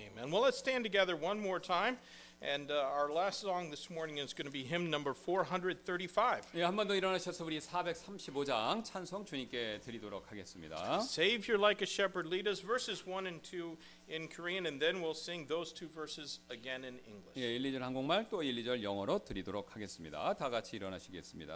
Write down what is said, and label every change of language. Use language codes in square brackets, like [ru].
[en] Well, let's stand together one more time, and our last song this morning is going to be hymn number 435. [ko] 예, 한 번 더 일어나셔서 우리 435장 찬송 주님께 드리도록 하겠습니다. [en] Savior like a shepherd lead us verses 1 and 2 in Korean and then we'll sing those two verses again in English. [ko] 예, 1, 2절 한국말 또 1, 2절 영어로 드리도록 하겠습니다. 다 같이 일어나시겠습니다.